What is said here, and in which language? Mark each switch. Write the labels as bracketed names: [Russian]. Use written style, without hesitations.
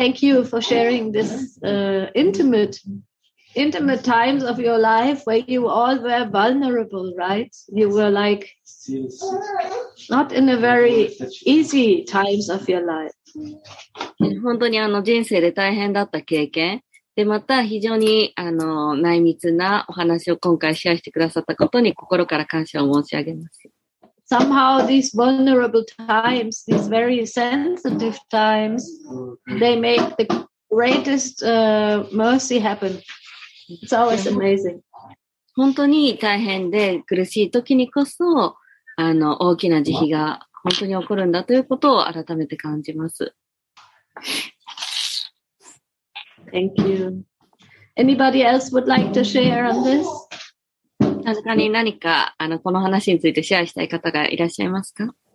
[English] Thank you for sharing this intimate times of your life where you all were vulnerable, right? You were like not in a very easy times of your life. [Japanese] 本当にあの人生で大変だった経験でまた非常にあの内密なお話を今回シェアしてくださったことに心から感謝を申し上げます。 [English] Somehow these vulnerable times, these very sensitive times, they make the greatest mercy happen. It's always amazing. [Japanese] 本当に大変で苦しい時にこそあの大きな慈悲が本当に起こるんだということを改めて感じます。 [English] Thank you. Anybody else would like to share on this? [Japanese] 確かに何かあのこの話についてシェアしたい方がいらっしゃいますか。